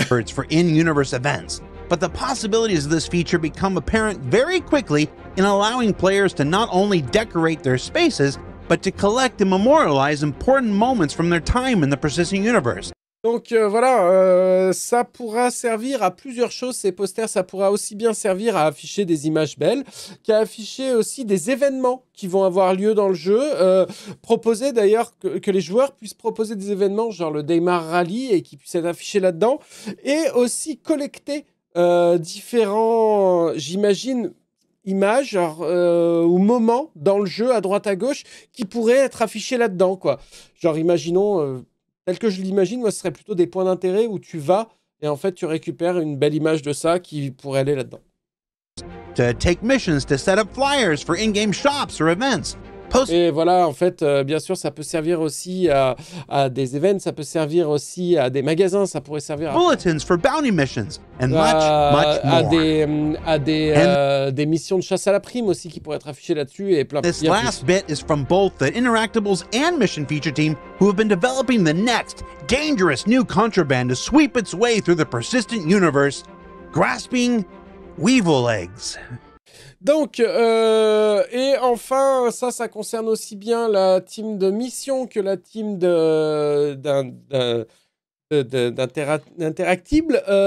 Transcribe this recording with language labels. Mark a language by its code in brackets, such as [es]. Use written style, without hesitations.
[en] for in-universe events, but the possibilities of this feature become apparent very quickly in allowing players to not only decorate their spaces, but to collect and memorialize important moments from their time in the persistent universe. [fr] Donc voilà, ça pourra servir à plusieurs choses, ces posters. Ça pourra aussi bien servir à afficher des images belles qu'à afficher aussi des événements qui vont avoir lieu dans le jeu. Proposer d'ailleurs que les joueurs puissent proposer des événements, genre le Daymar Rally, et qu'ils puissent être affichés là-dedans. Et aussi collecter différents, j'imagine, images ou moments dans le jeu, à droite à gauche, qui pourraient être affichés là-dedans, quoi. Genre, imaginons... tel que je l'imagine, moi, ce serait plutôt des points d'intérêt où tu vas et en fait tu récupères une belle image de ça qui pourrait aller là-dedans. [en] To take missions to set up flyers for in-game shops or events. [fr] Et voilà, en fait, bien sûr, ça peut servir aussi à des events, ça peut servir aussi à des magasins, ça pourrait servir à [en] bulletins for bounty missions and much, much more. [fr] À des missions de chasse à la prime aussi qui pourraient être affichées là-dessus et plein. [en] This last bit is from both the Interactables and Mission Feature Team, who have been developing the next dangerous new contraband to sweep its way through the persistent universe, grasping weevil eggs. [fr] Donc, et enfin, ça concerne aussi bien la team de mission que la team d'Interactible.